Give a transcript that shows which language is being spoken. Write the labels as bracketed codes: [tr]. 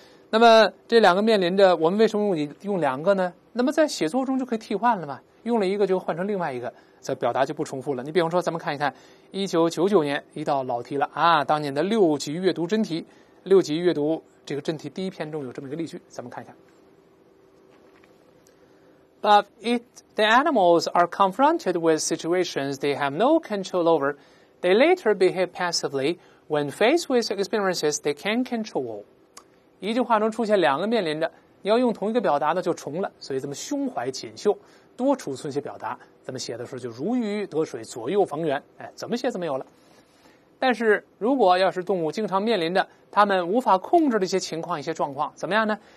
[zh] 那么这两个面临着，我们为什么用两个呢？那么在写作中就可以替换了嘛，用了一个就换成另外一个，这表达就不重复了。你比方说咱们看一看1999年一道老题了啊，当年的六级阅读真题，六级阅读这个真题第一篇中有这么一个例句，咱们看一看。 [en] But if the animals are confronted with situations they have no control over, they later behave passively when faced with experiences they can't control. [zh] 一句话中出现两个面临着，你要用同一个表达呢就重了，所以这么胸怀锦绣，多储存些表达，怎么写的时候就如鱼得水，左右逢源，哎，怎么写怎么有了。但是如果要是动物经常面临着他们无法控制的一些情况，一些状况怎么样呢？